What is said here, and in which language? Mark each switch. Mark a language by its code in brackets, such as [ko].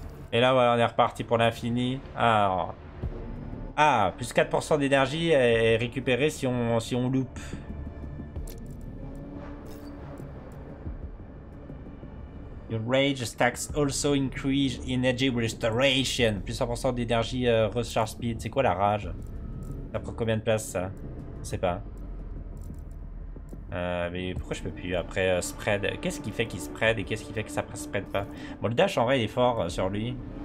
[fr] Et là, voilà, on est reparti pour l'infini. Alors. Ah, plus 4% d'énergie est récupérée si on loupe. [en] Your rage stacks also increase energy restoration. [fr] Plus 100% d'énergie [en] recharge speed. [fr] C'est quoi la rage? Ça prend combien de place ça? Je sais pas. Mais pourquoi je peux plus après spread? Qu'est-ce qui fait qu'il spread et qu'est-ce qui fait que ça spread pas? Bon, le dash en vrai il est fort sur lui.